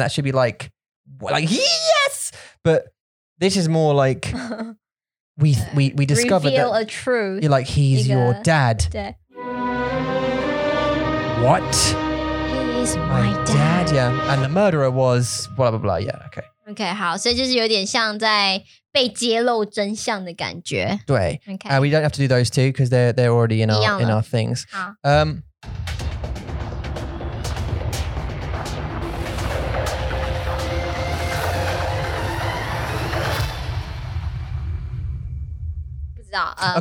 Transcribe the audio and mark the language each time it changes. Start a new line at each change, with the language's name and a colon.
English: That should be like yes! But this is more like we discovered reveal that a truth. You're like, he's your dad. What? He is my dad. Yeah, and the murderer was blah blah blah. Yeah, okay.
Chinese: Okay, 好, 所以就是有点像在被揭露真相的感觉。对,
English: okay. We don't have to do those two because they're already in our, things.
Chinese: 好,